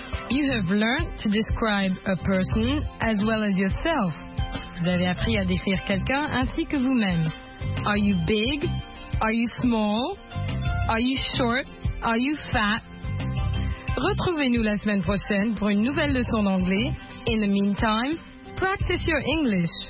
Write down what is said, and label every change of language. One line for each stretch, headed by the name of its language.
English: You have learned to describe a person as well as yourself.
French: Vous avez appris à décrire quelqu'un ainsi que vous-même.
English: Are you big? Are you small? Are you short? Are you fat?
French: Retrouvez-nous la semaine prochaine pour une nouvelle leçon d'anglais.
English: In the meantime, practice your English.